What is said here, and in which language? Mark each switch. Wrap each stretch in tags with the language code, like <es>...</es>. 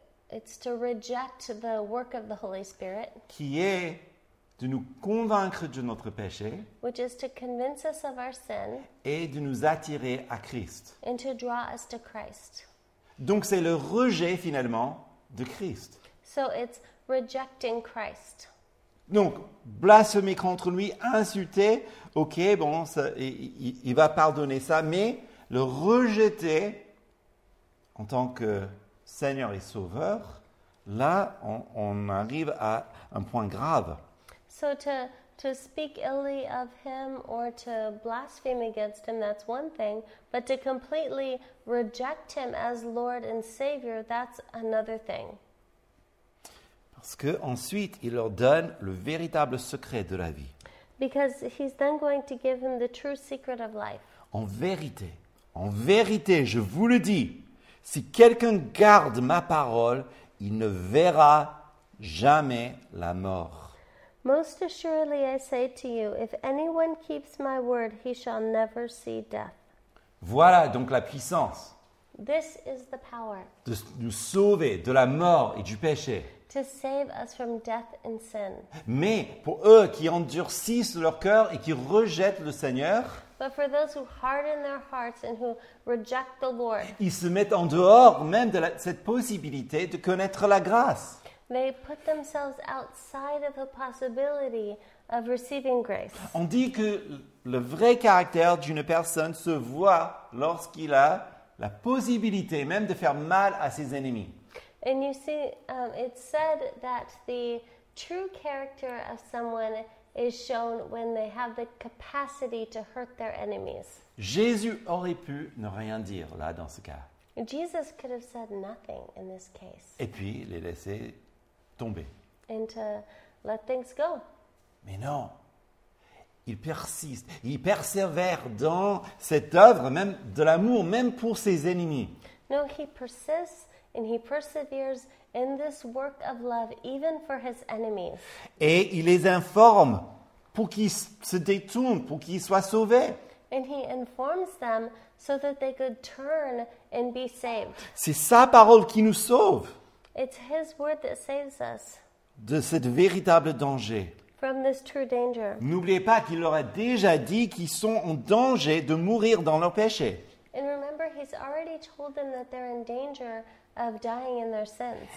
<en>It's to reject the work of the Holy Spirit.</en> <fr>Qui est de nous convaincre de notre péché.</fr> <en>Which is to convince us of our sin.</en> <fr>Et de nous attirer à Christ.</fr> <en>And to draw us to Christ.</en> <fr>Donc c'est le rejet finalement de Christ.</fr> <en>So it's rejecting Christ.</en> <fr>Donc blasphémer contre lui, insulter, ok, bon, ça, il va pardonner ça, mais le rejeter en tant que Seigneur et Sauveur, là, on arrive à un point grave.</fr> <en>So to speak illly of him or to blaspheme against him, that's one thing. But to completely reject him as Lord and Savior, that's another thing.</en> <fr>Parce que ensuite, il leur donne le véritable secret de la vie.</fr> <en>Because he's then going to give him the true secret of life.</en> <fr>En vérité, je vous le dis, si quelqu'un garde ma parole, il ne verra jamais la mort.</fr> <en>Most assuredly, I say to you, if anyone keeps my word, he shall never see death.</en> <fr>Voilà donc la puissance.</fr> <en>This is the power.</en> <fr>De nous sauver de la mort et du péché.</fr> <en>To save us from death and sin.</en> <fr>Mais pour eux qui endurcissent leur cœur et qui rejettent le Seigneur,</fr> <en>but for those who harden their hearts and who reject the Lord,</en> <fr>ils se mettent en dehors même de cette possibilité de connaître la grâce.</fr> <en>They put themselves outside of the possibility of receiving grace.</en> <fr>On dit que le vrai caractère d'une personne se voit lorsqu'il a la possibilité même de faire mal à ses ennemis.</fr> <en>And you see, it's said that the true character of someone is shown when they have the capacity to hurt their enemies.</en> <fr>Jésus aurait pu ne rien dire là dans ce cas.</fr> <en>Jesus could have said nothing in this case.</en> <fr>Et puis les laisser tomber.</fr> <en>And to let things go.</en> <fr>Mais non. Il persiste, il persévère dans cette œuvre même de l'amour même pour ses ennemis.</fr> <en>No, he persists and he perseveres in this work of love even for his enemies.</en> <fr>Et il les informe pour qu'ils se détournent, pour qu'ils soient sauvés.</fr> <en>And he informs them so that they could turn and be saved.</en> <fr>C'est sa parole qui nous sauve.</fr> <en>It's his word that saves us.</en> <fr>De cette véritable danger.</fr> <en>From this true danger.</en> <fr>N'oubliez pas qu'il leur a déjà dit qu'ils sont en danger de mourir dans leur péché.</fr> <en>And remember, he's already told them that they're in danger of dying in their sins.</en>